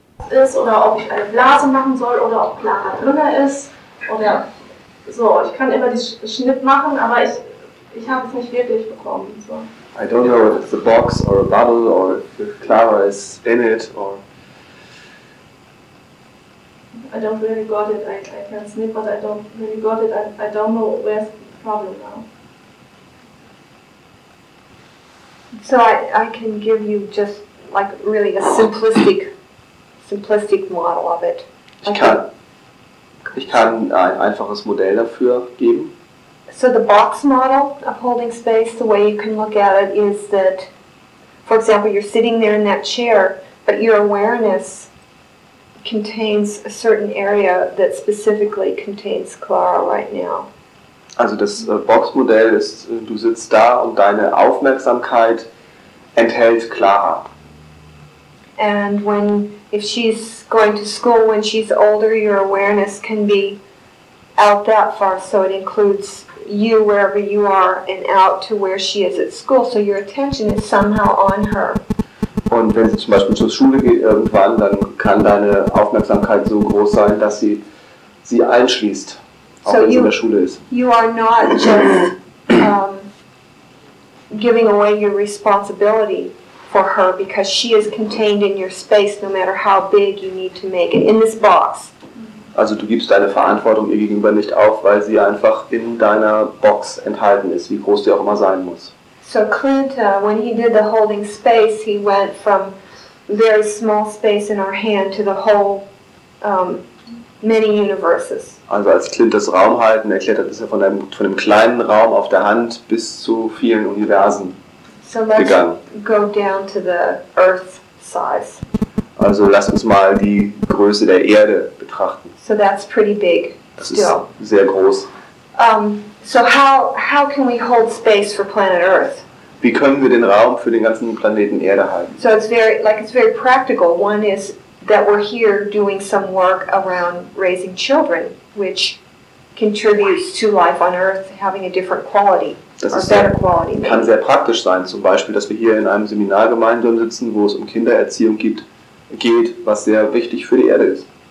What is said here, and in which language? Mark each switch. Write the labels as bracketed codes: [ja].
[de] Ist oder ob ich eine Blase machen soll oder ob Clara drinnen ist oder so. Ich kann immer die Schnitt machen, aber ich habe es nicht wirklich bekommen. So. [en] I don't know if it's a box or a bubble or if Clara is in it or. I don't really got it. I can't sniff, but I don't really got it. I don't know where's the problem now. So I can give you just like really a simplistic model of it. [de] Ich kann ein einfaches Modell dafür geben. [en] So the box model of holding space, the way you can look at it is that, for example, you're sitting there in that chair, but your awareness contains a certain area that specifically contains Clara right now. [de] Also das Boxmodell ist, du sitzt da und deine Aufmerksamkeit enthält Clara. [en] And when, if she's going to school when she's older, your awareness can be out that far, so it includes you wherever you are and out to where she is at school, so your attention is somehow on her. [de] Und wenn sie zum Beispiel zur Schule geht irgendwann, dann kann deine Aufmerksamkeit so groß sein, dass sie sie einschließt, auch so wenn sie in der Schule ist. [en] You are not just giving away your responsibility for her, because she is contained in your space, no matter how big you need to make it, in this box. [de] Also du gibst deine Verantwortung ihr gegenüber nicht auf, weil sie einfach in deiner Box enthalten ist, wie groß sie auch immer sein muss. [en] So Clint, when he did the holding space, he went from very small space in our hand to the whole many universes. [de] Also als Clint das Raumhalten erklärt hat, ist er von einem kleinen Raum auf der Hand bis zu vielen Universen gegangen. [en] So let's go down to the Earth size. [de] Also lass uns mal die Größe der Erde betrachten. [en] So that's pretty big. [de] Das ist sehr groß. [en] So how can we hold space for planet Earth? [de] Wie können wir den Raum für den ganzen Planeten Erde halten? [en] So it's very practical. One is that we're here doing some work around raising children, which contributes to life on Earth having a different quality, [de] das [en] or better quality. [de] Das kann sehr praktisch sein, zum Beispiel, dass wir hier in einem Seminar gemeinsam sitzen, wo es um Kindererziehung geht, was sehr wichtig für die Erde ist.